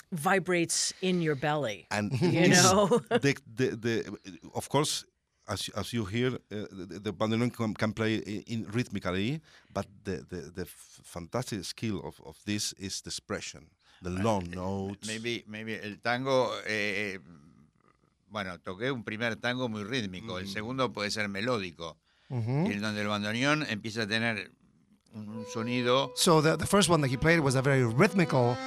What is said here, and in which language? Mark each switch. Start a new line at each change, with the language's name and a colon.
English: vibrates in your belly, and you know. The of course, as you hear, the bandoneon can play in rhythmically, but the fantastic skill of this is the expression, the long notes.
Spanish: Maybe el tango. Bueno, toqué un primer tango muy rítmico. Mm. El segundo puede ser melódico, mm-hmm. en donde el bandoneón empieza a tener un sonido.
English: So the first one that he played was a very rhythmical.